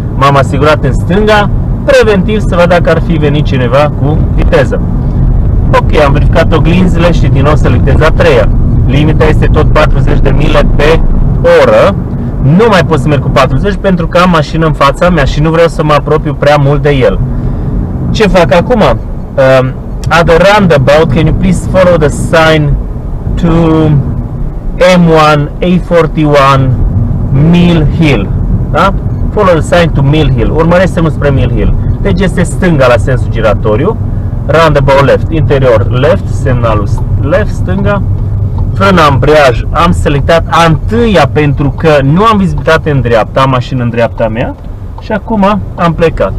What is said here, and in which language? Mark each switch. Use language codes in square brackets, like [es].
[ro] M-am asigurat în stânga, preventiv să văd dacă ar fi venit cineva cu viteză. Ok, am verificat oglinzile și din nou selectez a treia. Limita este tot 40 de mile pe oră. Nu mai pot să merg cu 40 pentru că am mașină în fața mea și nu vreau să mă apropiu prea mult de el. Ce fac acum? [en] At the roundabout, can you please follow the sign to M1 A41 Mill Hill, da? Follow the sign to Mill Hill. [ro] Urmăresc semnul spre Mill Hill. Deci este stânga la sensul giratoriu. Roundabout left, interior left, semnalul left, stânga. Frână ambreiaj, am selectat a întâia pentru că nu am vizibilitate în dreapta, am mașină în dreapta mea și acum am plecat.